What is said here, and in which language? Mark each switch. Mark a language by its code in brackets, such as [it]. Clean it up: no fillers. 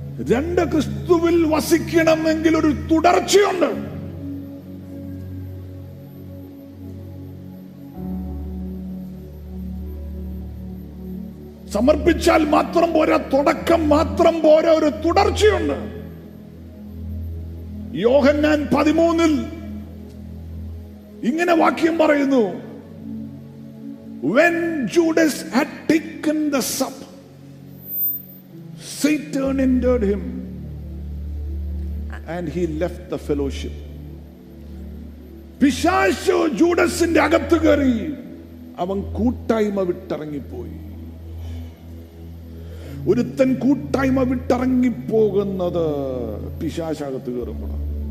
[ml] രണ്ട് ക്രിസ്തുവിൽ വസിക്കണമെങ്കിൽ ഒരു തുടർച്ചയുണ്ട്. സമർപ്പിച്ചാൽ മാത്രം പോരാ, തുടക്കം മാത്രം പോരാ, ഒരു തുടർച്ചയുണ്ട്. [en] യോഹന്നാൻ 13 ഇങ്ങനെ വാക്യം പറയുന്നു, When Judas had taken the sup, Satan entered him and he left the fellowship. [ml] പിശാച് ജൂഡസിന്റെ അകത്ത് കയറി അവൻ കൂട്ടായ്മ വിട്ടിറങ്ങിപ്പോയി. ഒരുത്തൻ കൂട്ടായ്മ വിട്ടിറങ്ങിപ്പോകുന്നത് പിശാച് അകത്ത് കയറുമ്പോഴാണ്.